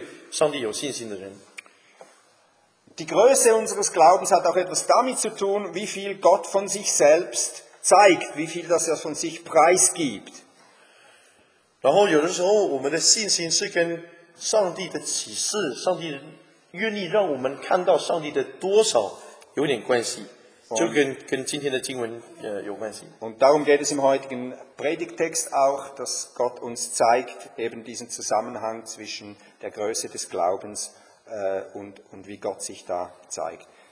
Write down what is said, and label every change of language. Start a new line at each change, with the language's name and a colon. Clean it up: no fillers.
Chinese: 虽然牧师信任我，不知道我会有怎么样反应，但是我们知道，上帝就会赏赐那些对上帝有信心的人。
German: Die Größe unseres Glaubens hat auch etwas damit zu tun, wie viel Gott von sich selbst zeigt, wie viel das er von sich preisgibt.
Chinese: 然后有的时候，我们的信心是跟 上帝的启示，上帝愿意让我们看到上帝的多少，有点关系，就跟今天的经文有关系。
German: Und darum geht es im heutigen Predigtext auch, dass Gott uns zeigt eben diesen Zusammenhang zwischen der Größe des Glaubens und wie Gott sich da zeigt.